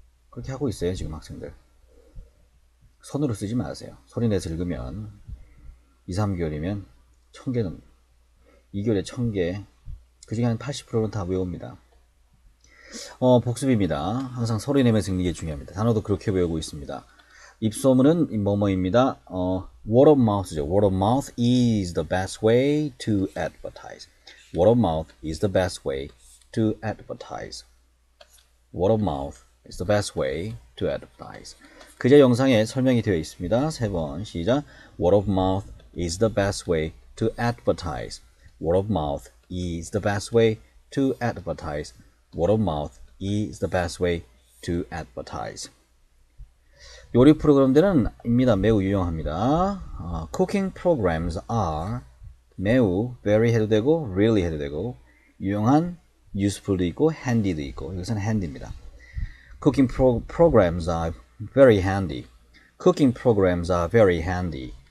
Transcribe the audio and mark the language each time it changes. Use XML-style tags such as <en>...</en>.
<ko>그렇게 하고 있어요, 지금 학생들. 손으로 쓰지 마세요. 손에서 읽으면 2, 3개월이면 1000개는, 2개월에 1000개, 그중에 한 80%는 다 외웁니다. 복습입니다. 항상 소리 내면서 읽는 게 중요합니다. 단어도 그렇게 외우고 있습니다. 입소문은 뭐뭐입니다. Word of mouth죠.</ko> <en>Word of mouth is the best way to advertise. Word of mouth is the best way to advertise. Word of mouth is the best way to advertise.</en> <ko>그제 영상에 설명이 되어 있습니다. 세 번, 시작.</ko> <en>Word of mouth is the best way to advertise. Word of mouth is the best way to advertise. Word of mouth is the best way to advertise.</en> <ko>요리 프로그램들은입니다. 매우 유용합니다.</ko> <en>Cooking programs are</en> <ko>매우, very 해도 되고, really 해도 되고, 유용한, useful도 있고, handy도 있고, 이것은 handy입니다.</ko> <en>Cooking programs are very handy. Cooking programs are very handy.</en>